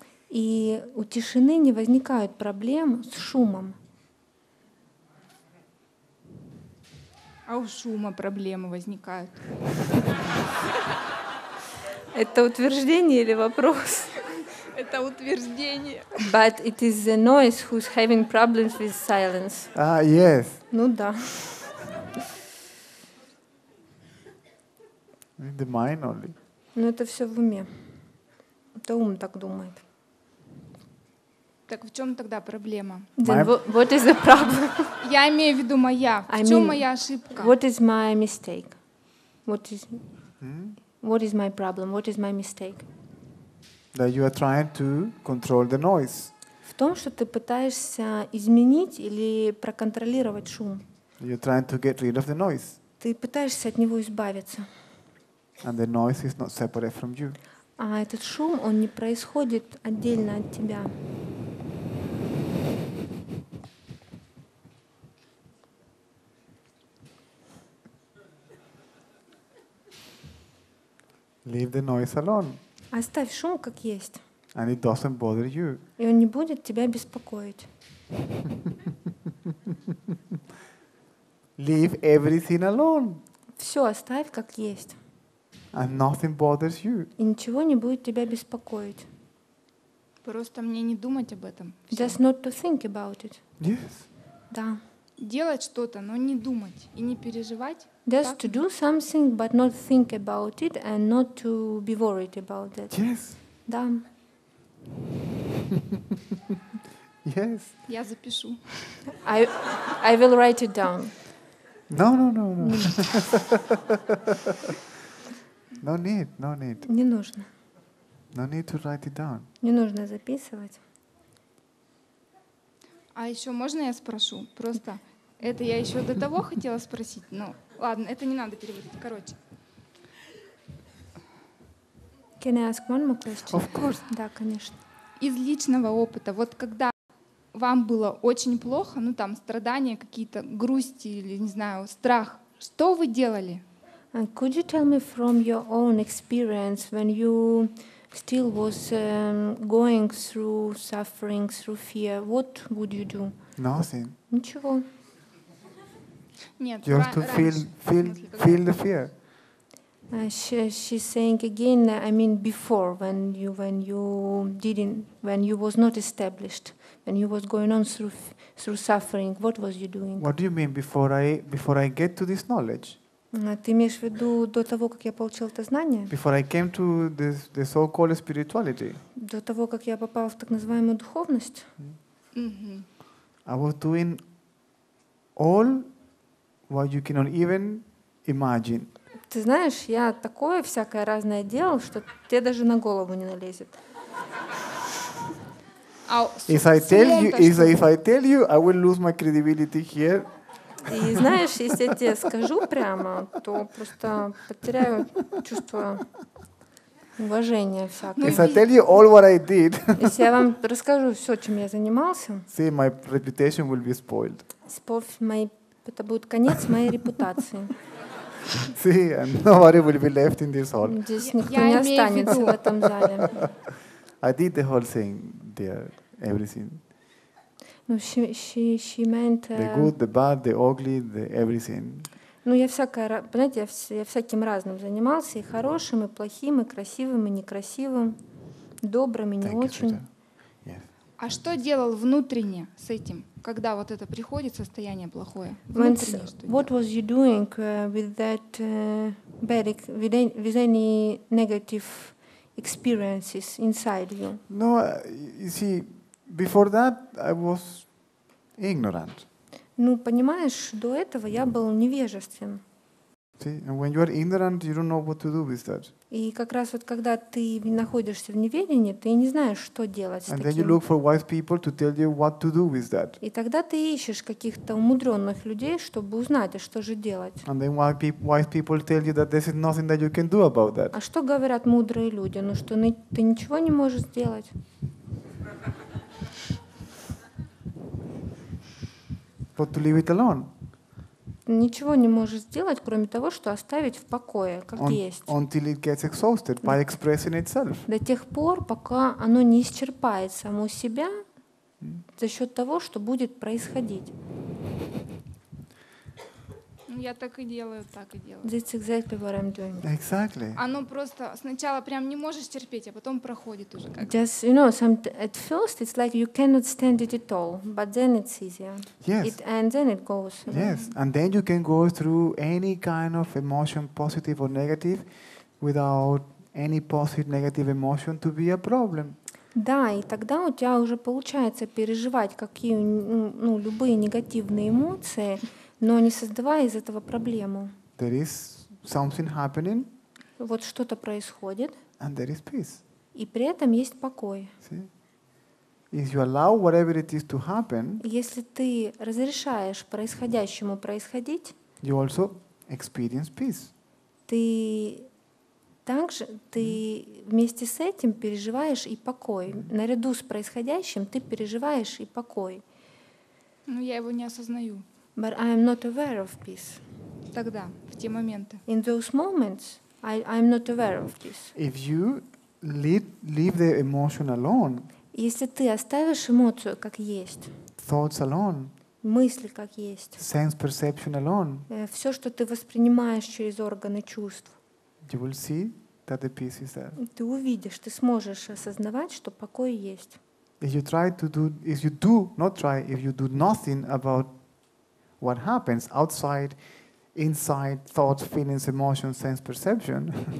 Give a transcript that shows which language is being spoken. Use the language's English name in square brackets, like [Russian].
[Russian] И у тишины не возникают проблем с шумом. А у шума проблемы возникают. Это утверждение или вопрос? Это утверждение. [English] But it is the noise who's having problems with silence. Ah, yes. [Russian] Ну да. [English] In the mind only. [Russian] Ну это все в уме. Это ум так думает. Так в чем тогда проблема? [English] Then what is the problem? [Russian] Я имею в виду моя. Моя ошибка? [English] What is my mistake? What is my problem? What is my mistake? That you are trying to control the noise. [Russian] В том, что ты пытаешься изменить или проконтролировать шум. [English] You're trying to get rid of the noise. [Russian] Ты пытаешься от него избавиться. [English] And the noise is not separate from you. [Russian] А этот шум, он не происходит отдельно от тебя. [English] Leave the noise alone. [Russian] Оставь шум как есть. [English] And it doesn't bother you. [Russian] И он не будет тебя беспокоить. [English] Leave everything alone. [Russian] Все оставь как есть. [English] And nothing bothers you. [Russian] И ничего не будет тебя беспокоить. Просто мне не думать об этом. Все. [English] Just not to think about it. Yes. [Russian] Да. Делать что-то, но не думать и не переживать. [English] Just to do something, but not think about it and not to be worried about it. Yes. [Russian] Да. [English] Yes. [Russian] Я запишу. [English] I will write it down. No. No need. [Russian] Не нужно. [English] No need to write it down. [Russian] Не нужно записывать. А еще можно я спрошу? Просто это я еще до того хотела спросить, но... Ладно, это не надо переводить. Короче. [English] Can I ask one more question? Of course. [Russian] Да, конечно. Из личного опыта, вот когда вам было очень плохо, ну там страдания какие-то, грусть или, не знаю, страх, что вы делали? [English] And could you tell me from your own experience when you still was going through suffering, through fear, what would you do? Nothing. [Russian] Ничего. Нет, [English] you have to feel the fear. She's saying again. I mean, before when you was not established, when you was going on through suffering, what was you doing? What do you mean before I get to this knowledge? [Russian] Ты имеешь в виду до того, как я получил это знание? [English] Before I came to the so-called spirituality. [Russian] До того, как я попал в так называемую духовность. [English] I was doing all what you cannot even imagine. [Russian] Ты знаешь, я такое всякое разное делал, что тебе даже на голову не налезет. [English] If I tell you, I will lose my credibility here. [Russian] И знаешь, если я тебе скажу прямо, то просто потеряю чувство уважения всякое. [English] If I tell you all what I did. [Russian] Если я вам расскажу все, чем я занимался. [English] See, my reputation will be spoiled. [Russian] Это будет конец моей репутации. [English] See, nobody will be left in this hall. [Russian] Здесь никто не останется в этом зале. [English] I did the whole thing there everything. [Russian] Ну, [English] she meant the good, the bad, the ugly, the everything. [Russian] Ну, я всякое, понимаете, я всяким разным занимался, и хорошим, и плохим, и красивым, и некрасивым, добрым, и не очень. А что делал внутренне с этим, когда вот это приходит, состояние плохое? Внутренне что делал? [English] What was you doing with that bad, with any negative experiences inside you? No, you see, before that I was ignorant. [Russian] Ну, понимаешь, до этого я был невежествен. [English] See, and when you are ignorant, you don't know what to do with that. [Russian] И как раз вот когда ты находишься в неведении, ты не знаешь, что делать с [English] and [Russian] таким. [English] And then you look for wise people to tell you what to do with that. [Russian] И тогда ты ищешь каких-то умудренных людей, чтобы узнать, что же делать. [English] And then wise people tell you that there is nothing that you can do about that. [Russian] А что говорят мудрые люди? Ну что, ты ничего не можешь сделать? [English] But to leave it alone. [Russian] Ничего не можешь сделать, кроме того, что оставить в покое, как есть. [English] Until it gets exhausted by expressing itself. [Russian] До тех пор, пока оно не исчерпает само себя за счет того, что будет происходить. Я так и делаю, так и делаю. [English] That's exactly what I'm doing. Exactly. [Russian] Оно просто сначала прям не можешь терпеть, а потом проходит уже как. [English] Just you know, at first it's like you cannot stand it at all, but then it's easier. Yes. And then it goes. Yes. And then you can go through any kind of emotion, positive or negative, without any positive, negative emotion to be a problem. [Russian] Да, и тогда у тебя уже получается переживать какие любые негативные эмоции, но не создавая из этого проблему. [English] There is something happening. [Russian] Вот что-то происходит. [English] And there is peace. [Russian] И при этом есть покой. [English] See? If you allow whatever it is to happen. [Russian] Если ты разрешаешь происходящему происходить. [English] You also experience peace. [Russian] Ты также ты вместе с этим переживаешь и покой. Наряду с происходящим ты переживаешь и покой. Но я его не осознаю. [English] But I am not aware of peace. [Russian] Тогда, в те моменты. [English] In those moments, I am not aware of this. If you leave the emotion alone. [Russian] Если ты оставишь эмоцию как есть. [English] Thoughts alone. [Russian] Мысли как есть. [English] Sense perception alone. [Russian] Все, что ты воспринимаешь через органы чувств. [English] You will see that the peace is there. [Russian] Ты увидишь, ты сможешь осознавать, что покой есть. [English] If you try to do, if you do not try, if you do nothing about what happens outside, inside, thoughts, feelings, emotions, sense, perception.